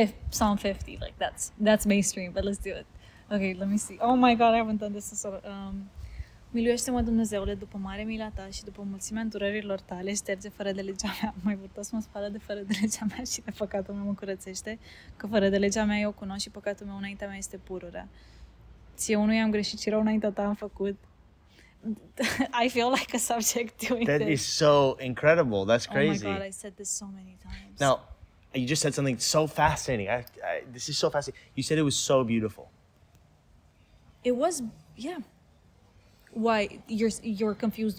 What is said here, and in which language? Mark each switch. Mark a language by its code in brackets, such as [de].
[en] Psalm 50, like, that's mainstream, but let's do it. Okay, let me see. Oh my God, I haven't done this in so long. [ro] Miluiește-mă Dumnezeule după mare mila ta și după mulțimea îndurărilor tale, șterge fără de legea mea, mai vârtos mă spală de fără de legea mea și de păcatul meu mă curățește, că fără de legea mea eu cunosc și păcatul meu înaintea mea este pururea. Ție unui am greșit și rău înaintea ta am făcut. [en] I feel like a subject doing that this. That is so incredible. That's crazy. Oh my God, I said this so many times. Now, you just said something so fascinating. This is so fascinating. You said it was so beautiful. It was, yeah. Why you're confused?